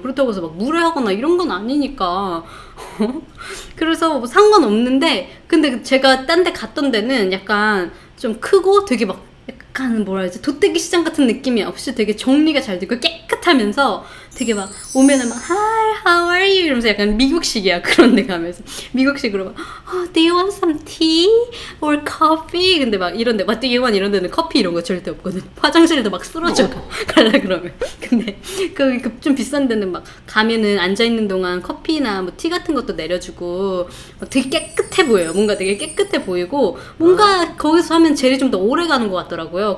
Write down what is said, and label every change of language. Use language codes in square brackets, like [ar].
[ko] 그렇다고 해서 막 무례하거나 이런 건 아니니까. 그래서 뭐 상관없는데 근데 제가 딴 데 갔던 데는 약간 좀 크고 되게 막 약간 뭐라 해야 되지? 도떼기 시장 같은 느낌이 없이 되게 정리가 잘 되고 깨끗하면서 되게 막 오면은 막 [en] Hi, how are you? [ko] 이러면서 약간 미국식이야. 그런 데 가면서 미국식으로 막 [en] oh, Do you want some tea? Or coffee? [ko] 근데 막 이런 데 [en] What do you want? [ko] 이런 데는 커피 이런 거 절대 없거든. 화장실에도 막 쓰러져 갈라 그러면. 근데 거기 좀 비싼 데는 막 가면은 앉아있는 동안 커피나 뭐 티 같은 것도 내려주고 막 되게 깨끗해 보여요. 뭔가 되게 깨끗해 보이고 뭔가 거기서 하면 젤이 좀 더 오래 가는 것 같더라고요.